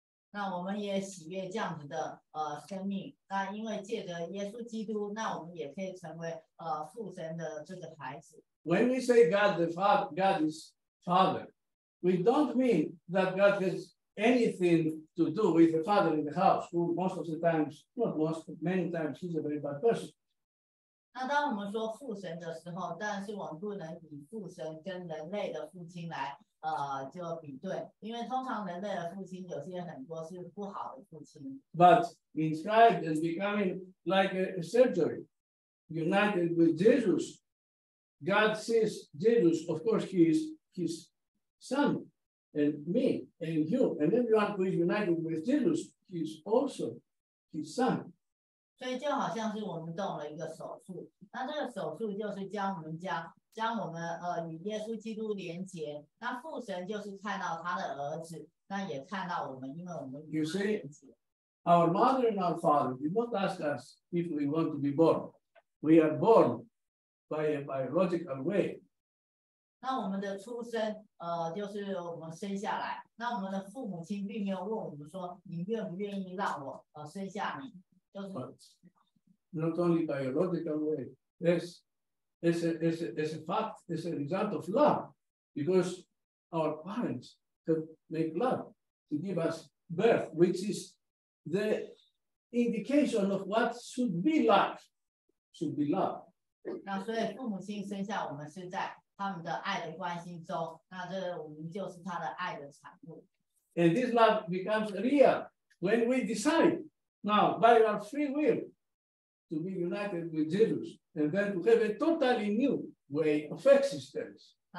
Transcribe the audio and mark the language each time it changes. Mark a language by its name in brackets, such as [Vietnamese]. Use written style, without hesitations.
[Chinese] 那我们也喜悦这样子的生命。那因为借着耶稣基督，那我们也可以成为父神的这个孩子。 [English] When we say God the Father, God is Father, we don't mean that God is. Anything to do with the father in the house, who most of the times, not most, many times, he's a very bad person. [Chinese] 那当我们说父神的时候，但是我们不能以父神跟人类的父亲来就比对，因为通常人类的父亲有些很多是不好的父亲。 [English] But inscribed and becoming like a surgery, united with Jesus, God sees Jesus. Of course, he is his son. And me, and you, and everyone who is united with Jesus, he is also his son. [Chinese] 所以就好像是我们动了一个手术，那这个手术就是将我们与耶稣基督连接。那父神就是看到他的儿子，那也看到我们，因为我们与他连接。 [English] You see, our mother and our father did not ask us if we want to be born. We are born by a biological way. [Chinese] 那我们的出生，就是我们生下来。那我们的父母亲并没有问我们说，你愿不愿意让我生下你，就是。 [English] But not only biological way, yes, it's a fact, it's an example of love, because our parents could make love to give us birth, which is the indication of what should be love. Should be love. [Chinese] 那所以父母亲生下我们是在他们的爱的关心中，那这我们就是他的爱的产物。 [English] And this love becomes real when we decide now by our free will to be united with Jesus and then to have a totally new way of existence.